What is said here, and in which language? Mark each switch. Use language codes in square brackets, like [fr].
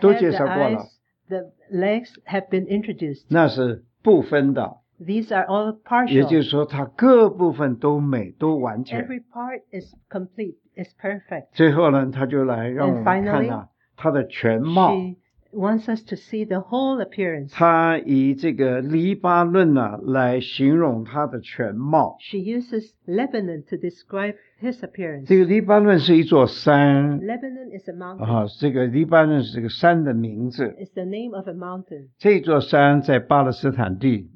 [zh] 都介绍过了 [en] the legs have been introduced [zh] 那是部分的 [en] these are all partial [zh] 也就是说他各部分都美都完全 [en] every part is complete is perfect [zh] 最后呢他就来让我们看到他的全貌 [en] and finally, she wants us to see the whole appearance [zh] 他以这个黎巴嫩呢来形容他的全貌 [en] she uses Lebanon to describe his appearance [zh] 这个黎巴嫩是一座山 [en] Lebanon is a mountain [zh] 这个黎巴嫩是这个山的名字 [en] it's the name of a mountain [zh] 这座山在巴勒斯坦地